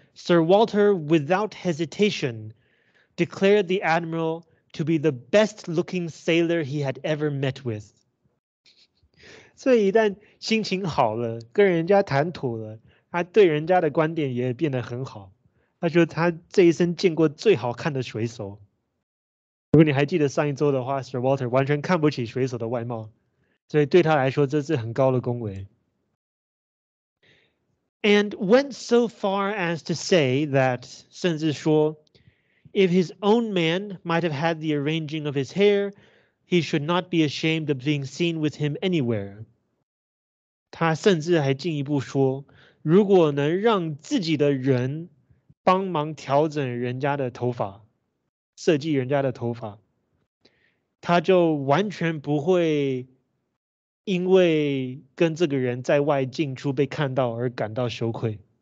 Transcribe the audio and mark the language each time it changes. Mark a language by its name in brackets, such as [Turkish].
[English] Sir Walter without hesitation declared the admiral to be the best looking sailor he had ever met with。 [Chinese] 所以一旦心情好了，跟人家谈妥了，他对人家的观点也变得很好，他说他这一生见过最好看的水手。如果你还记得上一周的话， Sir Walter 完全看不起水手的外貌，所以对他来说这是很高的恭维。 [English] And went so far as to say that [Chinese] 甚至说 [English] If his own man might have had the arranging of his hairHe should not be ashamed of being seen with him anywhere. [Chinese] 他甚至还进一步说，如果能让自己的人帮忙调整人家的头发，设计人家的头发，他就完全不会因为跟这个人在外进出被看到而感到羞愧。